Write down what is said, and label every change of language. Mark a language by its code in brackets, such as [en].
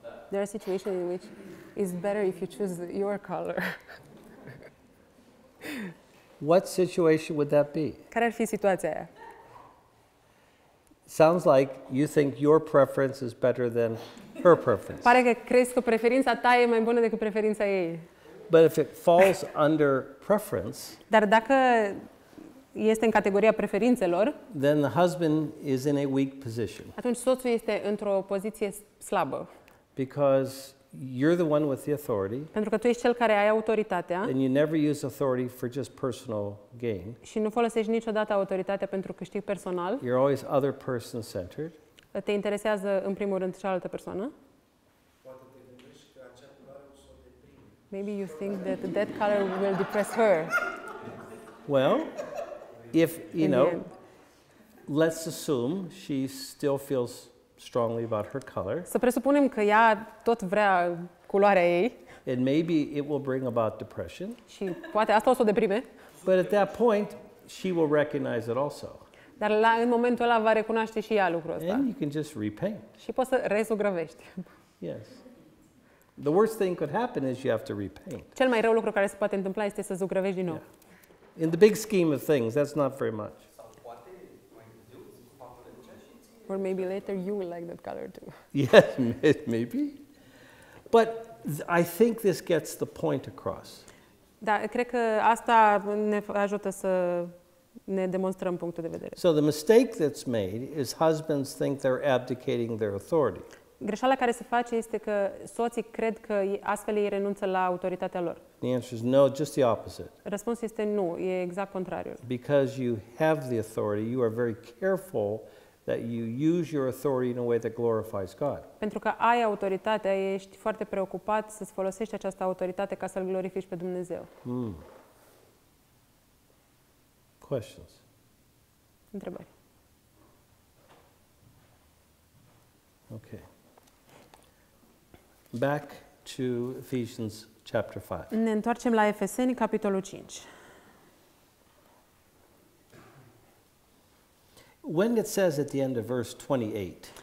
[en] There are situations in which it's better if you choose your color. What situation would that be? [ro] Care ar fi situația aia? [en] Sounds like you think your preference is better than her preference. [ro] Pare că crezi că preferința ta e mai bună decât preferința ei. [en] But if it falls under preference, [ro] dar dacă este în categoria preferințelor, [en] then the husband is in a weak position. [ro] Atunci soțul este într-o poziție slabă. [en] Because you're the one with the authority. [ro] Pentru că tu ești cel care ai autoritatea. [en] And you never use authority for just personal gain. [ro] Și nu folosești niciodată autoritatea pentru câștig personal. [en] You're always other person-centered. [ro] Te interesează în primul rând cealaltă persoană. [en] Maybe you think that that color will depress her. Well, if, you know, let's assume she still feels strongly about her color. [ro] Să presupunem că ea tot vrea culoarea ei. [en] And maybe it will bring about depression. [ro] Și poate asta o să o deprime. [en] But at that point, she will recognize it also. [ro] Dar la, în momentul ăla va recunoaște și ea lucrul ăsta. [en] And you can just repaint. [ro] Și poți să rezugrăvești. [en] Yes. The worst thing could happen is you have to repaint. [ro] Cel mai rău lucru care se poate întâmpla este să zugrăvești din nou. [en] Yeah. In the big scheme of things, that's not very much. Or maybe later you will like that color too. Yes, maybe. But I think this gets the point across. [ro] Da, cred că asta ne ajută să ne demonstrăm punctul de vedere. [en] So the mistake that's made is husbands think they're abdicating their authority. [ro] Greșeala care se face este că soții cred că astfel ei renunță la autoritatea lor. [en] The answer is no, just the opposite. [ro] Răspunsul este nu, e exact contrariul. [en] Because you have the authority, you are very careful that you use your authority in a way that glorifies God. [ro] Pentru că ai autoritate, ești foarte preocupat să -ți folosești această autoritate ca să-l glorifici pe Dumnezeu. Hmm. [en] Questions. [ro] Întrebări. [en] Okay. Back to Ephesians chapter 5. [ro] Ne întoarcem la Efeseni capitolul 5. [en] When it says at the end of verse 28.